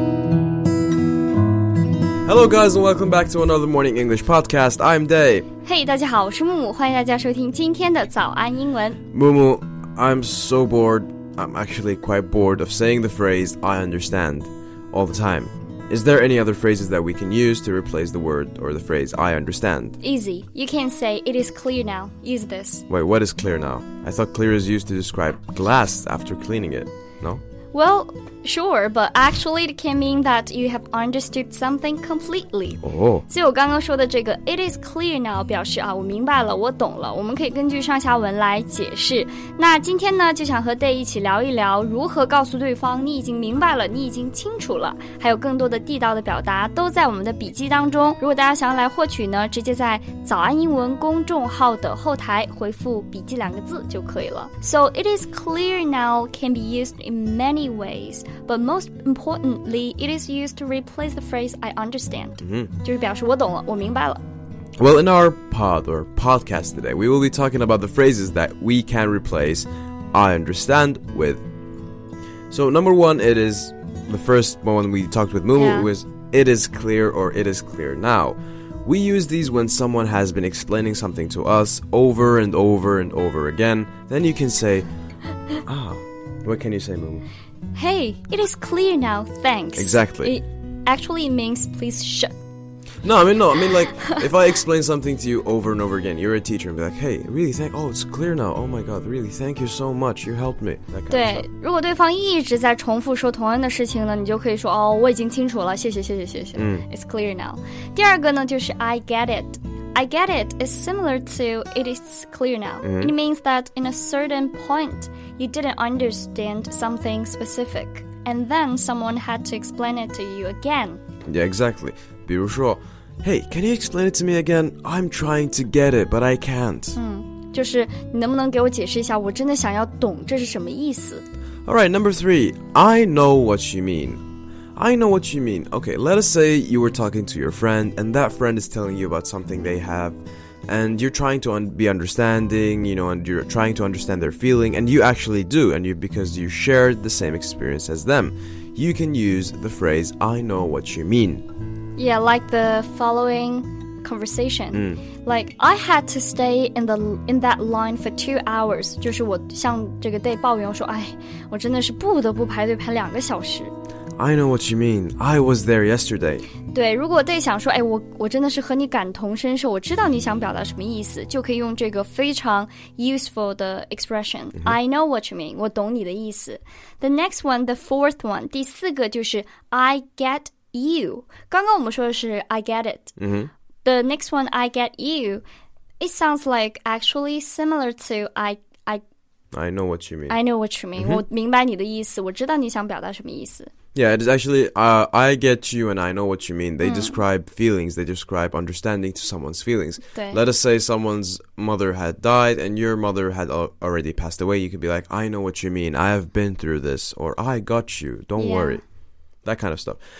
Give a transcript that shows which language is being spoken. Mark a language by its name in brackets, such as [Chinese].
[English] Hello guys and welcome back to another Morning English Podcast. I'm Day. [Chinese] Hey, 大家好，我是木木，欢迎大家收听今天的早安英文。 [English] 木木， I'm so bored. I'm actually quite bored of saying the phrase I understand all the time. Is there any other phrases that we can use to replace the word or the phrase I understand? Easy. You can say it is clear now. Use this. Wait, what is clear now? I thought clear is used to describe glass after cleaning it. No? Well, sure, but actually it can mean that you have understood something completely. Oh. [Chinese] 所以我刚刚说的这个 [English] it is clear now [Chinese] 表示啊，我明白了，我懂了，我们可以根据上下文来解释。那今天呢，就想和 Day 一起聊一聊如何告诉对方你已经明白了，你已经清楚了。还有更多的地道的表达都在我们的笔记当中。如果大家想要来获取呢，直接在早安英文公众号的后台回复笔记两个字就可以了。 [English] So it is clear now can be used in many ways, but most importantly, it is used to replace the phrase I understand. Mm-hmm. [Chinese] 就是表示我懂了，我明白了。 [English] Well, in our pod or podcast today, we will be talking about the phrases that we can replace I understand with. So number one, it is the first one we talked with Mumu, yeah. was it is clear or it is clear now. We use these when someone has been explaining something to us over and over and over again. Then you can say, ah, what can you say, Mumu? Hey, it is clear now, thanks. Exactly. It actually means please shut. No, I mean like, if I explain something to you over and over again, you're a teacher and be like, hey, really, thank, oh, it's clear now, oh my god, really, thank you so much, you helped me. That kind [Chinese] 对 [English] of stuff. [Chinese] 如果对方一直在重复说同样的事情呢，你就可以说，哦，我已经清楚了，谢谢，谢谢，谢谢。 Mm. [English] It's clear now. [Chinese] 第二个呢，就是 [English] I get it. I get it is similar to it is clear now. Mm-hmm. It means that in a certain point, you didn't understand something specific, and then someone had to explain it to you again. Yeah, exactly. [Chinese] 比如说 [English] hey, can you explain it to me again? I'm trying to get it, but I can't. [Chinese] 嗯，就是你能不能给我解释一下，我真的想要懂这是什么意思。 [English] All right, number three, I know what you mean. I know what you mean. Okay, let us say you were talking to your friend and that friend is telling you about something they have and you're trying to be understanding, you know, and you're trying to understand their feeling and you actually do and you, because you shared the same experience as them. You can use the phrase, I know what you mean. Yeah, like the following conversation. Mm. Like, I had to stay in that line for 2 hours. [Chinese] 就是我向这个 Day 抱怨说，哎，我真的是不得不排队排两个小时。 [English] I know what you mean. I was there yesterday. [Chinese] 对，如果Day想说，哎，我真的是和你感同身受，我知道你想表达什么意思，就可以用这个非常 useful 的 expression. Mm-hmm. [English] I know what you mean. [Chinese] 我懂你的意思。 [English] The next one, the fourth one, [Chinese] 第四个就是 [English] I get you. [Chinese] 刚刚我们说的是 [English] I get it. Mm-hmm. The next one, I get you. It sounds like actually similar to I know what you mean. I know what you mean. Mm-hmm. [Chinese] 我明白你的意思，我知道你想表达什么意思。 [English] Yeah, it is actually, I get you and I know what you mean. They describe feelings. They describe understanding to someone's feelings. Let us say someone's mother had died and your mother had already passed away. You could be like, I know what you mean. I have been through this. Or I got you. Don't worry. That kind of stuff.